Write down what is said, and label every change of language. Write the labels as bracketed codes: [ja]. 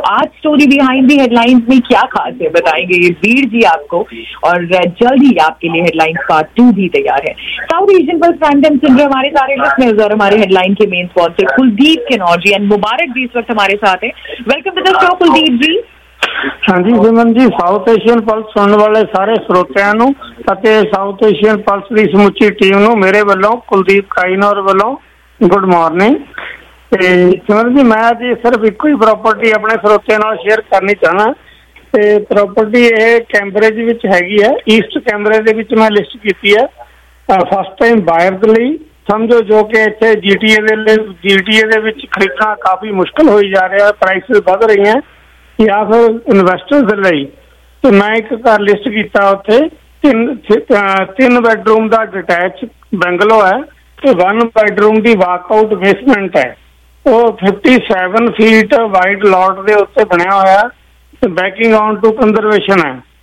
[ur] تو آج story behind the head lines میں کیا خاص ہے بتائیں گے یہ بیر جی آپ کو, اور جلد ہی آپ کے لیے ہیڈ لائنز پارٹ ٹو بھی تیار ہے. ساؤتھ ایشین پر فرینڈم سن رہے ہمارے سارے لسنرز, اور ہمارے ہیڈ لائن کے مین sponsor Kuldeep Kinnaur جی and مبارک جی اس وقت ہمارے ساتھ ہیں. [en] Welcome to the show Kuldeep ji. [pa] ہاں جی سمن جی, ساؤتھ ایشین پلس سننے والے سارے سروتیاں نو تے south Asian plus the سمچی team نو میرے والوں کلدیپ کائنور والوں گڈ مارننگ. سمن جی میں اج صرف ایک ہی پراپرٹی اپنے سروتیاں نال شیئر کرنی چاہنا. تے پراپرٹی اے کیمبرج وچ ہیگی ہے, ایسٹ کیمبرج دے وچ میں لسٹ کیتی ہے فرسٹ ٹائم بائر دے لئی. سمجھو جو کہ اتنے جی ٹی اے دے لئی جی ٹی اے دے وچ خریدنا کافی مشکل ہوئی جا رہا ہے, پرائس بڑھ رہی ہیں یا پھر انویسٹر لئی. [ur] تو میں ایک گھر لسٹ کیا اتنے تین بیڈ روم کا ڈٹیچ بنگلو ہے, ون بیڈ روم کی واک آؤٹ بیسمنٹ ہے, وہ 57 فیٹ وائڈ لاٹ کے اتنے بنیا ہوا ہے, بیکنگ آن ٹو کنزرویشن ہے.